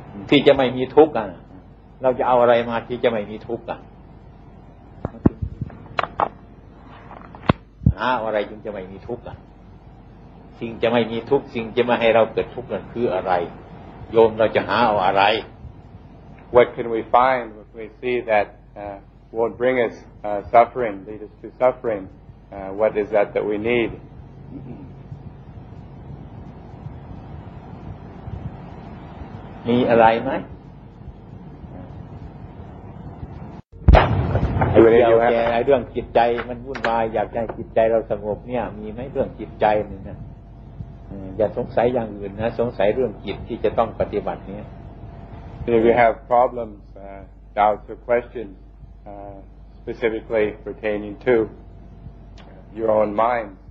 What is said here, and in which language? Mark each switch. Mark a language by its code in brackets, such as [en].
[th] ที่จะไม่มีทุกข์อ่ะเราจะเอาอะไรมาที่จะไม่มีทุกข์อ่ะหาอะไรจึงจะไม่มีทุกข์อ่ะสิ่งจะไม่มีทุกข์สิ่งจะไม่ให้เราเกิดทุกข์นั่นคืออะไรโยมเราจะหาเอาอะไร [en] What can we find what can we see that won't bring us suffering, lead us to suffering. What is that that we need? [th] มีอะไรไหม เรื่องจิตใจมันวุ่นวายอยากให้จิตใจเราสงบเนี่ยมีไหมเรื่องจิตใจนี่นะอย่าสงสัยอย่างอื่นนะสงสัยเรื่องจิตที่จะต้องปฏิบัติเนี่ย [en] If you have problems, doubts or questions specifically pertaining to your own mind